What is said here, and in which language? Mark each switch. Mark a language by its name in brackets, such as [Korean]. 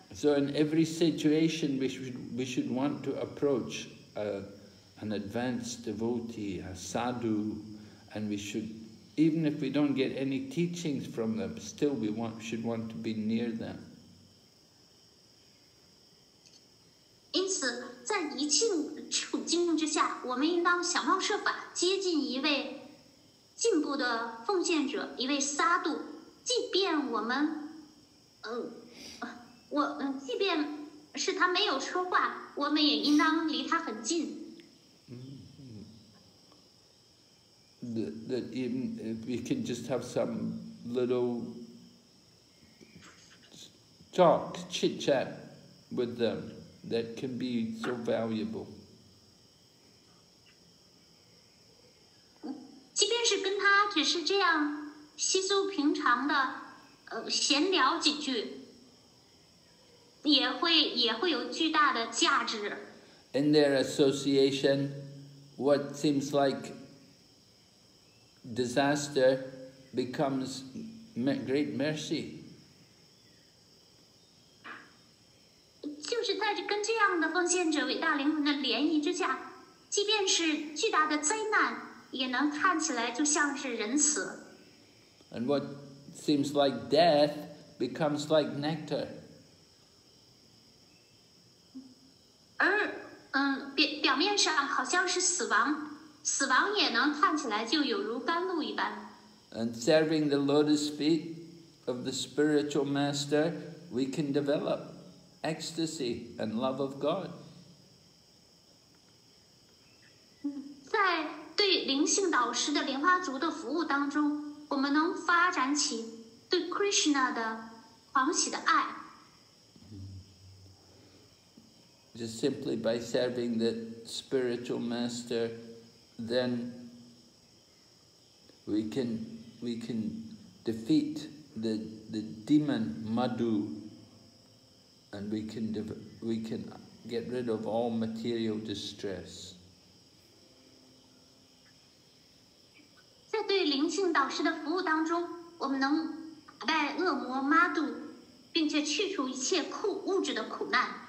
[English] So in every situation, we should want to approach an advanced devotee, a sadhu, and we should, even if we don't get any teachings from them, still we should want to be near them. [Chinese] 因此，在一切处境之下，我们应当想方设法接近一位进步的奉献者，一位沙度。即便我们，即便是他没有说话，我们也应当离他很近。 [English] That even if we can just have some little talk, chit chat with them, that can be so valuable. [Chinese] 即便是跟他只是这样。稀疏平常的，闲聊几句，也会有巨大的价值。 [English] In their association, what seems like disaster becomes great mercy. [Chinese] 就是在跟这样的奉献者、伟大灵魂的联谊之下，即便是巨大的灾难，也能看起来就像是仁慈。 [English] And what seems like death becomes like nectar. [Chinese] 而表面上好像是死亡也能看起来就有如甘露一般。 [English] And serving the lotus feet of the spiritual master, we can develop ecstasy and love of God. [Chinese] 在对灵性导师的莲花族的服务当中。我们能发展起对 Krishna 的狂喜的爱。 [English] Just simply by serving the spiritual master, then we can defeat the demon Madhu, and we can get rid of all material distress. [Chinese] 在对灵性导师的服务当中，我们能打败恶魔妈度，并且去除一切物质的苦难。